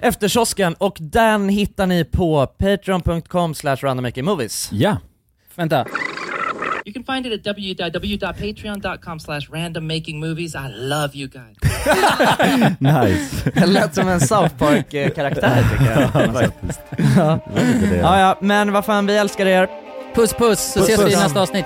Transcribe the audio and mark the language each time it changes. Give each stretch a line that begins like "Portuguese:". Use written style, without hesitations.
Swedish: Efter kiosken, och den hittar ni på patreon.com/randommakingmovies. Ja. Vänta.
English: You can find it at www.patreon.com/randommakingmovies. I love you guys. Nice.
Swedish: Det lät som en South Park karaktär tycker jag. Ja, men vad fan, vi älskar er. Puss puss. Så ses vi i nästa avsnitt.